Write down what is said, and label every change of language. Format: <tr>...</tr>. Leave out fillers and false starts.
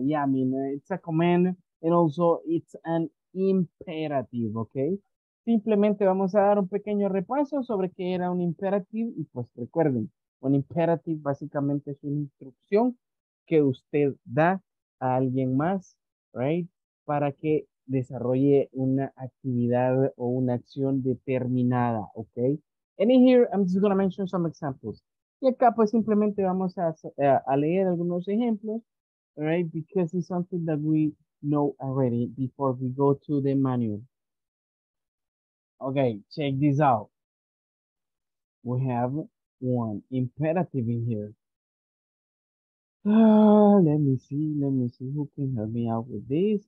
<en>Yeah, I mean, it's a command, and also it's an imperative, okay?</en> <es>Simplemente vamos a dar un pequeño repaso sobre qué era un imperative, y pues recuerden, un imperative básicamente es una instrucción que usted da a alguien más, right? Para que desarrolle una actividad o una acción determinada, okay?</es> <en>And in here, I'm just going to mention some examples.</en> <es>Y acá pues simplemente vamos a leer algunos ejemplos, right?</es> <en>Because it's something that we know already before we go to the manual. Okay, check this out. We have one imperative in here. Let me see who can help me out with this.</en>